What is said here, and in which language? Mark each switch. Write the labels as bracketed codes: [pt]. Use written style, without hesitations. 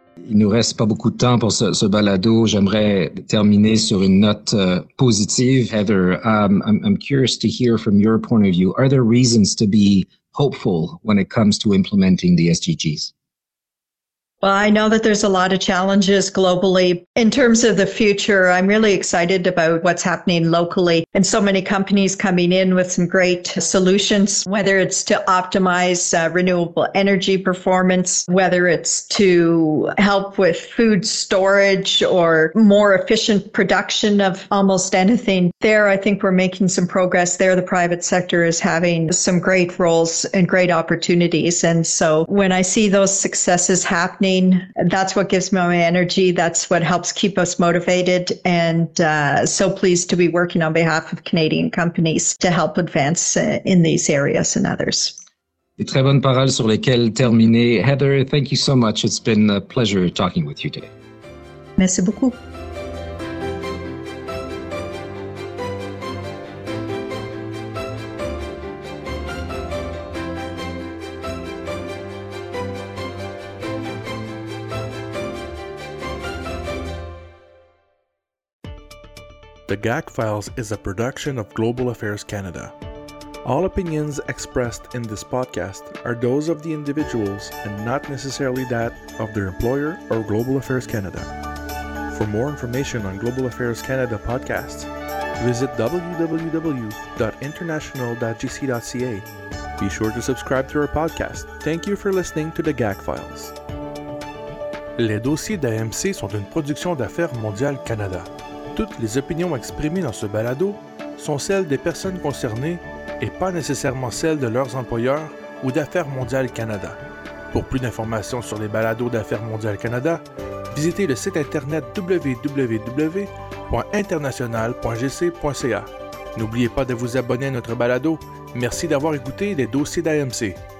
[fr] Il nous reste pas beaucoup de temps pour ce balado. J'aimerais terminer sur une note positive. [en] Heather, I'm curious to hear from your point of view. Are there reasons to be hopeful when it comes to implementing the SDGs? Well, I know that there's a lot of challenges globally. In terms of the future, I'm really excited about what's happening locally and so many companies coming in with some great solutions, whether it's to optimize renewable energy performance, whether it's to help with food storage or more efficient production of almost anything. There, I think we're making some progress there. The private sector is having some great roles and great opportunities. And so when I see those successes happening, that's what gives me my energy. That's what helps keep us motivated. And so pleased to be working on behalf of Canadian companies to help advance in these areas and others. [fr] Des très bonnes paroles sur lesquelles terminer. [en] Heather, thank you so much. It's been a pleasure talking with you today. [fr] Merci beaucoup. [en] The GAC Files is a production of Global Affairs Canada. All opinions expressed in this podcast are those of the individuals and not necessarily that of their employer or Global Affairs Canada. For more information on Global Affairs Canada podcasts, visit www.international.gc.ca. Be sure to subscribe to our podcast. Thank you for listening to The GAC Files. [fr] Les dossiers d'AMC sont une production d'Affaires Mondiales Canada. Toutes les opinions exprimées dans ce balado sont celles des personnes concernées et pas nécessairement celles de leurs employeurs ou d'Affaires Mondiales Canada. Pour plus d'informations sur les balados d'Affaires Mondiales Canada, visitez le site internet www.international.gc.ca. N'oubliez pas de vous abonner à notre balado. Merci d'avoir écouté les dossiers d'AMC.